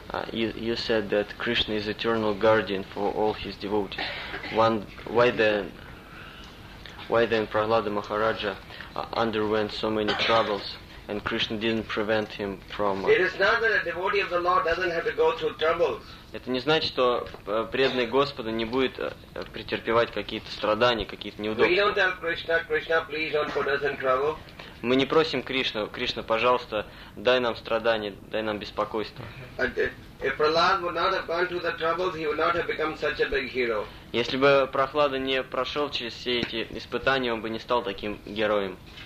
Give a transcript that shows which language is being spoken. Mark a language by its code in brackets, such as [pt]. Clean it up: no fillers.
[en] You said that Krishna is eternal guardian for all his devotees. Why then Prahlada Maharaja underwent so many troubles and Krishna didn't prevent him from... It is not that a devotee of the Lord doesn't have to go through troubles. [ru] Это не значит, что преданный Господа не будет претерпевать какие-то страдания, какие-то неудобства. [en] We don't tell Krishna, Krishna, please don't put us in trouble. [ru] Мы не просим Кришну, Кришна, пожалуйста, дай нам страдания, дай нам беспокойство. [en] If Prahlada would not have gone through the troubles, he would not have become such a big hero. [ru] Если бы Прохлада не прошел через все эти испытания, он бы не стал таким героем.